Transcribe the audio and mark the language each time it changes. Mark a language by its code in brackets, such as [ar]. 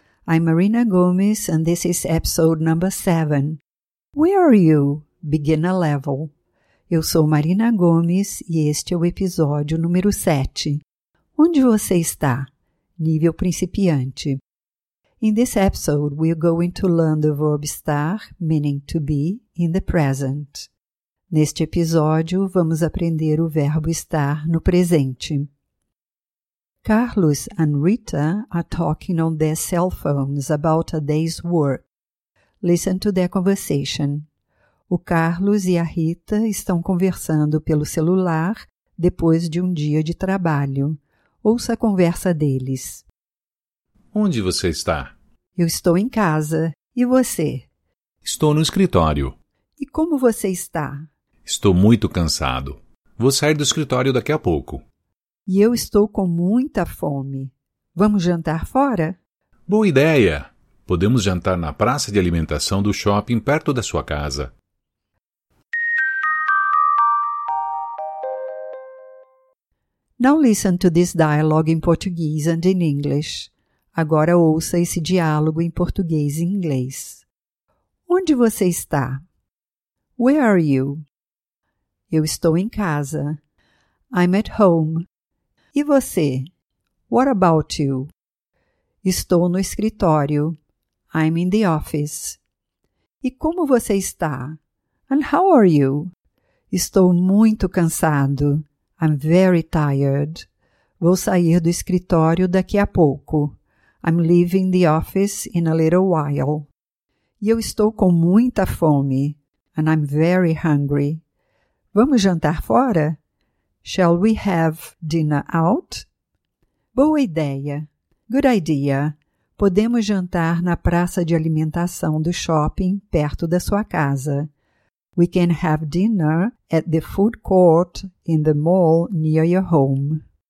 [en] I'm Marina Gomes and this is episode number 7. Where are you? Beginner level. [pt] Eu sou Marina Gomes e este é o episódio número 7. Onde você está? Nível principiante. [en] In this episode, we're going to learn the verb estar, meaning to be, in the present. [pt] Neste episódio, vamos aprender o verbo estar no presente. [en] Carlos and Rita are talking on their cell phones about a day's work. Listen to their conversation. [pt] O Carlos e a Rita estão conversando pelo celular depois de um dia de trabalho. Ouça a conversa deles. Onde você está? Eu estou em casa. E você? Estou no escritório. E como você está? Estou muito cansado. Vou sair do escritório daqui a pouco. E eu estou com muita fome. Vamos jantar fora? Boa ideia! Podemos jantar na praça de alimentação do shopping perto da sua casa. [en] Now listen to this dialogue in Portuguese and in English. [pt] Agora ouça esse diálogo em português e inglês. Onde você está? [en] Where are you? [pt] Eu estou em casa. [en] I'm at home. [pt] E você? [en] What about you? [pt] Estou no escritório. [en] I'm in the office. [pt] E como você está? [en] And how are you? [pt] Estou muito cansado. [en] I'm very tired. [pt] Vou sair do escritório daqui a pouco. [en] I'm leaving the office in a little while. [pt] E eu estou com muita fome. [en] And I'm very hungry. [pt] Vamos jantar fora? [en] Shall we have dinner out? [pt] Boa ideia. [en] Good idea. [pt] Podemos jantar na praça de alimentação do shopping perto da sua casa. [en] We can have dinner at the food court in the mall near your home.